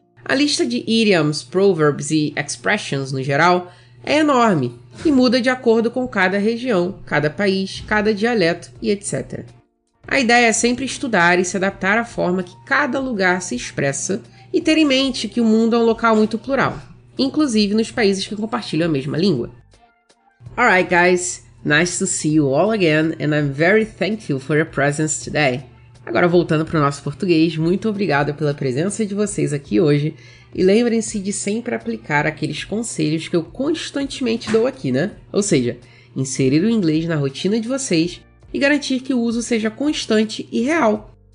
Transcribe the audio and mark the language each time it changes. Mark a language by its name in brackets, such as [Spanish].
[Portuguese] A lista de idioms, proverbs e expressions no geral é enorme e muda de acordo com cada região, cada país, cada dialeto e etc. A ideia é sempre estudar e se adaptar à forma que cada lugar se expressa e ter em mente que o mundo é um local muito plural, inclusive nos países que compartilham a mesma língua. [English] Alright guys, nice to see you all again and I'm very thankful for your presence today. [Portuguese] Agora voltando para o nosso português, muito obrigado pela presença de vocês aqui hoje e lembrem-se de sempre aplicar aqueles conselhos que eu constantemente dou aqui, né? Ou seja, inserir o inglês na rotina de vocês e garantir que o uso seja constante e real.